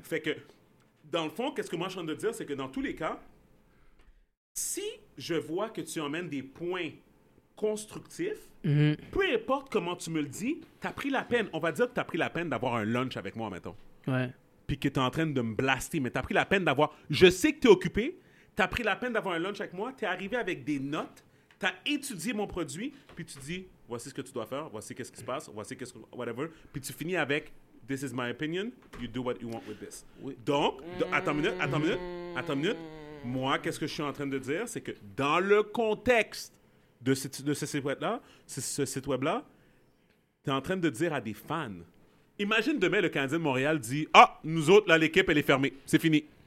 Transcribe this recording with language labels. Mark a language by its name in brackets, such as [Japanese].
[French] Fait que, dans le fond, qu'est-ce que moi je suis en train de dire, c'est que dans tous les cas, si je vois que tu emmènes des points constructifs, peu importe comment tu me le dis, tu as pris la peine. On va dire que tu as pris la peine d'avoir un lunch avec moi, mettons. Ouais. Puis que tu es en train de me blaster, mais tu as pris la peine d'avoir... Je sais que tu es occupé, tu as pris la peine d'avoir un lunch avec moi, tu es arrivé avec des notes, tu as étudié mon produit, puis tu dis, voici ce que tu dois faire, voici qu'est-ce qui se passe, voici qu'est-ce que... [English] Whatever. [French] Puis tu finis avec, [English] this is my opinion, you do what you want with this. [French] Oui. Donc, attends une minute. Moi, qu'est-ce que je suis en train de dire, c'est que dans le contexte de ce site web-là, tu es en train de dire à des fans, imagine demain le Canadien de Montréal dit, ah, nous autres, là, l'équipe, elle est fermée, c'est fini.